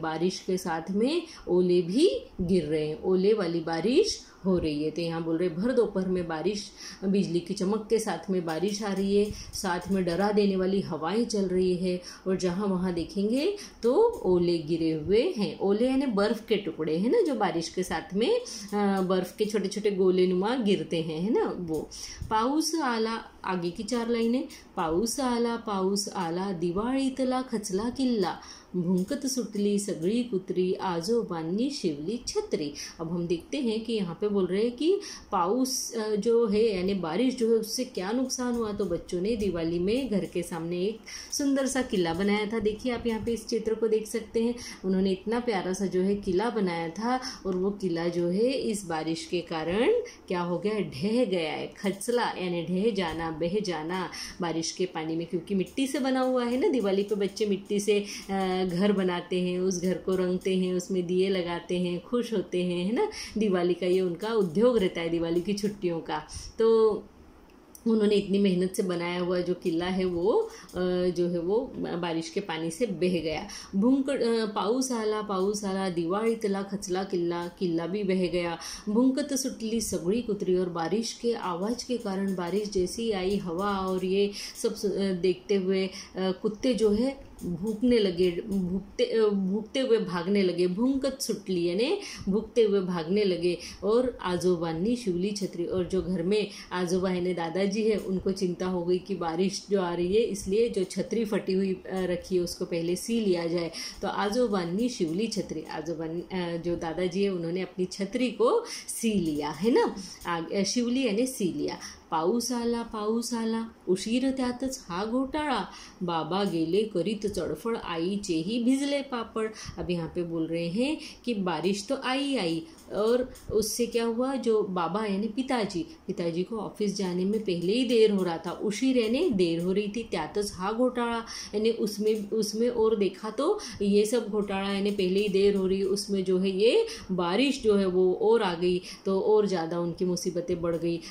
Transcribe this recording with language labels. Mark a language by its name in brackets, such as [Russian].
[Hindi] बारिश के साथ में ओले भी गिर रहे हैं, ओले वाली बारिश हो रही है. तो यहाँ बोल रहे भर दोपहर में बारिश, बिजली की चमक के साथ में बारिश आ रही है, साथ में डरा देने वाली हवाएं चल रही है और जहाँ वहाँ देखेंगे तो ओले गिरे हुए हैं. ओले यानी बर्फ के टुकड़े, है ना, जो बारिश के साथ में बर्फ के छोटे छोटे गोले नुमा गिरते हैं, है ना. [Marathi] वो पाऊस आला, [Hindi] आगे की चार लाइनें, [Marathi] पाऊस आला दिवाळीतला खचला किल्ला, भूंकत सुटली सगळी कुत्री, आजोबांनी शिवली छत्री. [Hindi] अब हम देखते हैं कि यहाँ पे बोल रहे हैं कि पाउस जो है यानी बारिश जो है उससे क्या नुकसान हुआ. तो बच्चों ने दिवाली में घर के सामने एक सुंदर सा किला बनाया था. देखिए आप यहाँ पे इस चित्र को देख सकते हैं, उन्होंने इतना प्यारा सा जो है किला बनाया था और वो किला जो है इस बारिश के कारण क्या हो गया, ढह गया है. खचला यानी ढह जाना, बह जाना बारिश के पानी में, क्योंकि मिट्टी से बना हुआ है ना. दिवाली पर बच्चे मिट्टी से घर बनाते हैं, उस घर को रंगते हैं, उसमें दिए लगाते हैं, खुश होते हैं, है ना. दिवाली का ये उनका उद्योग रहता है, दिवाली की छुट्टियों का. तो उन्होंने इतनी मेहनत से बनाया हुआ जो किला है वो जो है वो बारिश के पानी से बह गया. [Marathi] पाऊस आला दिवाळी तला खचला किल्ला, [Hindi] किल्ला भी बह गया. [Marathi] भूंकत सुटली सगळी कुत्री [Hindi] और बारिश के आवाज़ के कारण, बारिश जैसी आई हवा और ये सब देखते हुए कुत्ते जो है भूकते हुए भागने लगे. [Marathi] भूंकत सुटली [Hindi] यानी भूकते हुए भागने लगे और [Marathi] आजोबांनी शिवली छत्री, [Hindi] और जो घर में आजोबा है दादाजी है उनको चिंता हो गई कि बारिश जो आ रही है इसलिए जो छतरी फटी हुई रखी है उसको पहले सी लिया जाए. [Marathi] तो आजोबांनी शिवली छत्री, [Hindi] आजोबांनी जो दादाजी है उन्होंने अपनी छतरी को सी लिया, है ना. शिवली यानी सी लिया. [Marathi] पाऊस आला उशीर त्यातच हा घोटाळा, बाबा गेले करीत चढफळ, आईचे ही भिजले पापड. [Hindi] अब यहाँ पे बोल रहे हैं कि बारिश तो आई और उससे क्या हुआ, जो बाबा यानी पिताजी को ऑफिस जाने में पहले ही देर हो रहा था, उशीर यानी देर हो रही थी, [Marathi] त्यातच हा घोटाळा [Hindi] यानी उसमें और देखा तो ये सब घोटाळा यानी पहले ही देर हो रही, उसमें जो है ये बारिश जो है वो और आ गई तो और ज़्यादा उनकी मुसीबतें बढ़ गई.